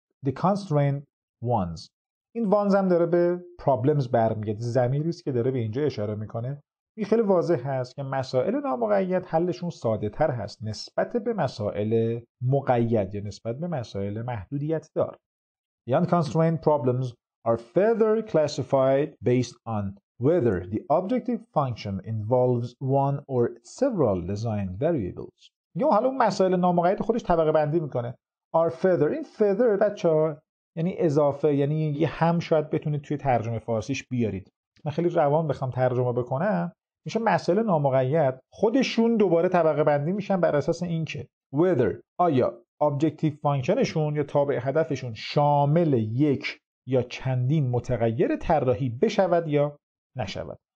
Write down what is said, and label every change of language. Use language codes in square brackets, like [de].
[en] The constrained ones، [fa] این ones هم داره به problems برمیگرده، ضمیریست که داره به اینجا اشاره میکنه. این خیلی واضح هست که مسائل نامقید حلشون ساده تر هست نسبت به مسائل مقید یا نسبت به مسائل محدودیت دار. [en] The unconstrained problems are further classified based on whether the objective function involves one or several design variables. [fa] یه حالا مسائل نامقید خودش طبقه بندی میکنه. [en] Are further، [fa] این further بچه ها یعنی اضافه، یعنی یه هم شاید بتونید توی ترجمه فارسیش بیارید. من خیلی روان بخوام ترجمه بکنم، میشه مسائل نامقید خودشون دوباره طبقه بندی میشن بر اساس این که whether، آیا objective functionشون یا تابع هدفشون شامل یک یا چندین متغیر طراحی بشود یا نشود.